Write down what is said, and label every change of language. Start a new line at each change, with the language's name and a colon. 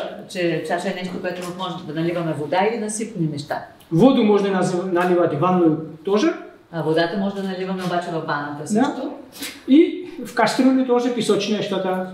Bulgarian: Че чаша е нещо, което може да наливаме вода или насипни неща.
Russian: Воду можно наливать в ванну тоже.
Bulgarian: А водата може да наливаме обаче в ванната също.
Russian: И в кастрюлю тоже песочное что-то.